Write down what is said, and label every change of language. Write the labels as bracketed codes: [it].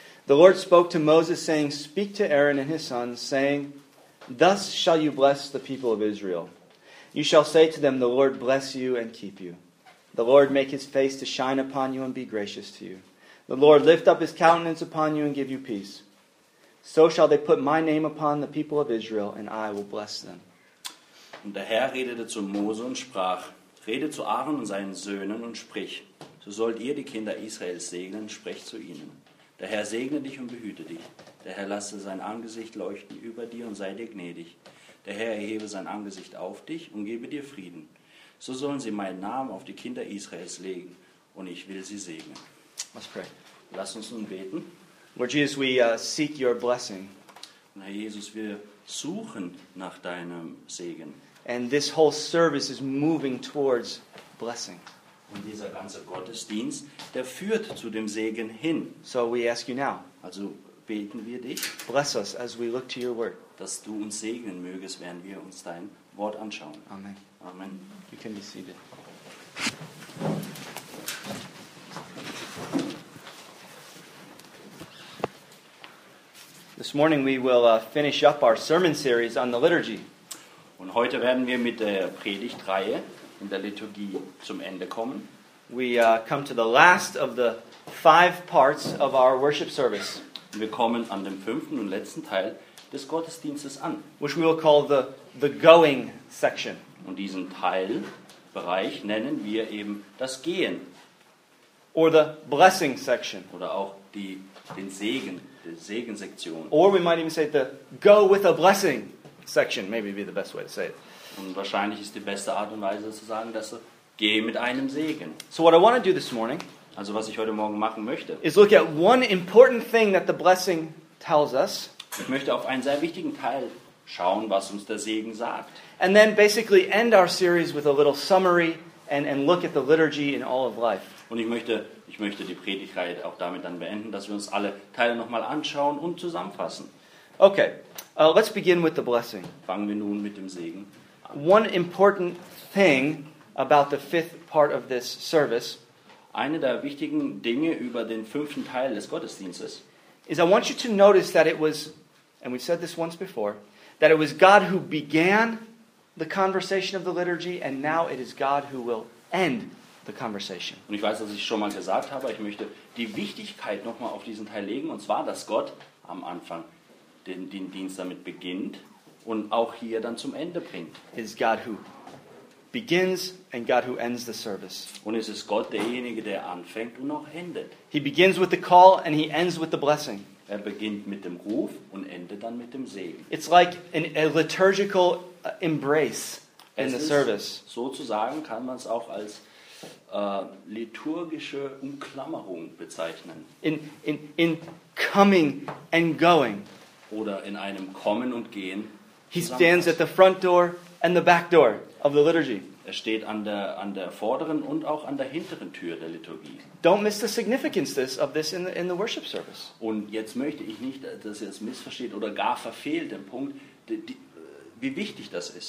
[en] The Lord spoke to Moses, saying, "Speak to Aaron and his sons, saying, 'Thus shall you bless the people of Israel. You shall say to them, The Lord bless you and keep you. The Lord make his face to shine upon you and be gracious to you. The Lord lift up his countenance upon you and give you peace.' So shall they put my name upon the people of Israel, and I will bless them." [de] Und der Herr redete zu Mose und sprach: "Rede zu Aaron und seinen Söhnen und sprich: So sollt ihr die Kinder Israels segnen, sprich zu ihnen: Der Herr segne dich und behüte dich. Der Herr lasse sein Angesicht leuchten über dir und sei dir gnädig. Der Herr erhebe sein Angesicht auf dich und gebe dir Frieden. So sollen sie meinen Namen auf die Kinder Israels legen, und ich will sie segnen." [en] Let's pray. [de] Lass uns nun beten. [en] Lord Jesus, we seek your blessing. [de] Und Herr Jesus, wir suchen nach deinem Segen. [en] And this whole service is moving towards blessing. [de] Und dieser ganze Gottesdienst, der führt zu dem Segen hin. [en] So we ask you now. [de] Also beten wir dich. [en] Bless us as we look to your word. [de] Dass du uns segnen mögest, während wir uns dein Wort anschauen. [en] Amen. [de] Amen. [en] You can be seated. This morning we will finish up our sermon series on the liturgy. [de] Und heute werden wir mit der Predigtreihe in der Liturgie zum Ende kommen. [en] We come to the last of the five parts of our worship service. [de] Und wir kommen an dem fünften und letzten Teil des Gottesdienstes an. [en] Which we will call the going section. [de] Und diesen Teilbereich nennen wir eben das Gehen. [en] Or the blessing section. [de] Oder auch den Segen. [en] Or we might even say the go with a blessing section, maybe be the best way to say it. [de] Und wahrscheinlich ist die beste Art und Weise zu sagen, dass du geh mit einem Segen. [en] So what I want to do this morning, [de] also was ich heute Morgen machen möchte, [en] is look at one important thing that the blessing tells us. [de] Ich möchte auf einen sehr wichtigen Teil schauen, was uns der Segen sagt. [en] And then basically end our series with a little summary and look at the liturgy in all of life. [de] Und ich möchte die Predigtreihe auch damit dann beenden, dass wir uns alle Teile nochmal anschauen und zusammenfassen. [en] Okay, let's begin with the blessing. [de] Fangen wir nun mit dem Segen an. [en] One important thing about the fifth part of this service. [de] Eine der wichtigen Dinge über den fünften Teil des Gottesdienstes. [en] Is I want you to notice that it was, and we said this once before, that it was God who began the conversation of the liturgy, and now it is God who will end the conversation. [de] Und ich weiß, dass ich schon mal gesagt habe, ich möchte die Wichtigkeit noch mal auf diesen Teil legen, und zwar, dass Gott am Anfang den Dienst damit beginnt und auch hier dann zum Ende bringt. [en] It's God who begins and God who ends the service. [de] Und es ist Gott derjenige, der anfängt und auch endet. [en] He begins with the call and he ends with the blessing. [de] Er beginnt mit dem Ruf und endet dann mit dem Segen. [en] It's like a liturgical embrace in the service. [de] Sozusagen kann man es auch als liturgische Umklammerung bezeichnen. [en] In coming and going. [de] Oder in einem Kommen und Gehen. [en] He stands at the front door and the back door of the liturgy. [de] Er steht an der vorderen und auch an der hinteren Tür der Liturgie. [en] Don't miss the significance of this in the worship service. [de] Und jetzt möchte ich nicht, dass ihr es missversteht oder gar verfehlt, den Punkt, wie wichtig das ist.